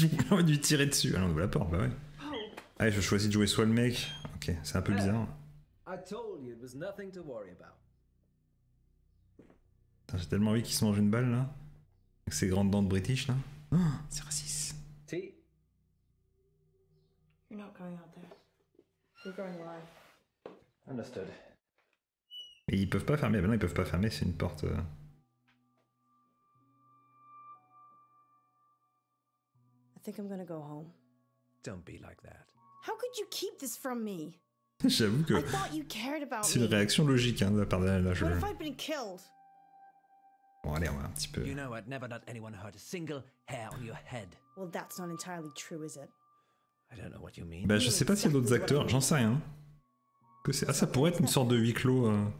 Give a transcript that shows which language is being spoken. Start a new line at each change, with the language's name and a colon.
French: On va lui tirer dessus. Ah, on ouvre la porte. Bah ouais. Allez, je choisis de jouer soit le mec. Ok, c'est un peu bizarre.
English: I told you it was nothing to worry about.
French: J'ai tellement envie qu'il se mange une balle là. Avec ses grandes dents de British là. Oh, c'est raciste. T.
English: You're not going out there. You're going live. Understood.
French: Mais ils peuvent pas fermer. Ben non, ils peuvent pas fermer. C'est une porte.
English: I think I'm gonna go home. Don't be like that. How could you keep this from me?
French: J'avoue que c'est une réaction logique hein, de la part de la
English: joueuse. What if I've been killed?
French: Bon, allez, on va un petit peu.
English: You know, I'd never let anyone hurt a single hair on your head. Well, that's not entirely true, is it? I don't know what you mean.
French: Ben, je sais pas s'il y a d'autres acteurs, j'en sais rien. Que c'est... Ah, ça pourrait être une sorte de huis clos.